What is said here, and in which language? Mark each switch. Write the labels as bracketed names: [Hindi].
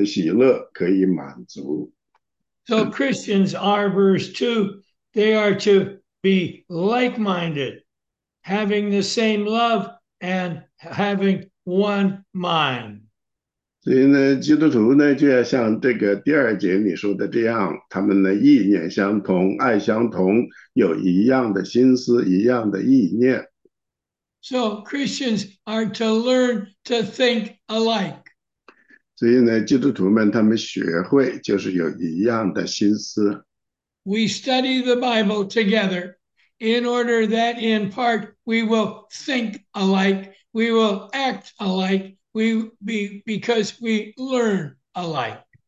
[Chinese] 所以腓立比书第二章第一节说呢，在基督里若有什么劝勉，有什么爱的安慰，有什么圣灵的交通，有什么慈悲与怜悯，你们就要意念相同，爱相同，有一样的心思，一样的意念，使我的喜乐可以满足。 [English] So Christians are verse 2, they are to be like-minded, having the same love and having one mind. [Chinese] 所以呢，基督徒呢，就要像这个第二节你说的这样，他们呢意念相同，爱相同，有一样的心思，一样的意念。 [English] So Christians are to learn to think alike. [Chinese] 所以呢，基督徒们他们学会就是有一样的心思。 [English] We study the Bible together in order that in part we will think alike, we will act alike, because we learn alike.